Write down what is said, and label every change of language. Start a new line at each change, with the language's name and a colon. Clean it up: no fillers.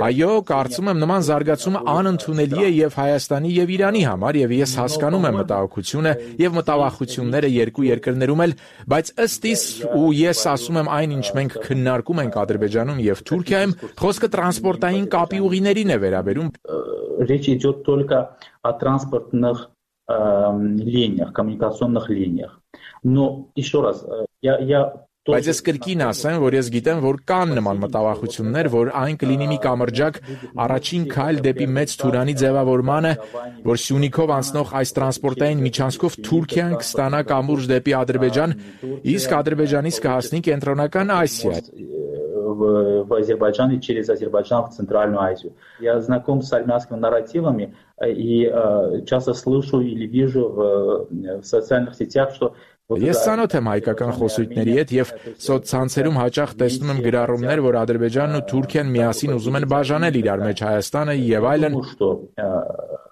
Armenian: Այո, կարծում եմ, նման զարգացումը անընդունելի է եւ Հայաստանի եւ Իրանի համար, եւ ես հասկանում եմ մտահոգությունը եւ մտավախությունները երկու երկրներում էլ, բայց ըստ իս ու ես ասում եմ այն, ինչ մենք քննարկում ենք Ադրբեջանում եւ Թուրքիայում, խոսքը տրանսպորտային կապի ուղիներին է վերաբերում.
Russian: Речь идёт только о транспортных линиях, коммуникационных линиях. Но еще раз, я
Armenian: Բայց ես կրկին ասեմ, որ ես գիտեմ, որ կան նման մտավախություններ, որ այն կլինի մի կամրջակ առաջին քայլ դեպի մեծ Թուրանի ձևավորմանը, որ Սյունիքով անցնող այս տրանսպորտային միջանցքով Թուրքիան կստանա կամուրջ դեպի Ադրբեջան, իսկ Ադրբեջանից կհասնի կենտրոնական Ասիա.
Russian: В Азербайджан и через Азербайджан в Центральную Азию. Я знаком с армянскими нарративами и часто слышу или вижу в социальных сетях, что
Armenian: Ես ցանոթ եմ հայկական խոսույթների հետ եւ սոցցանցերում հաճախ տեսնում եմ գրառումներ, որ Ադրբեջանն ու Թուրքիան միասին ուզում են բաժանել իրար մեջ Հայաստանը եւ այլն։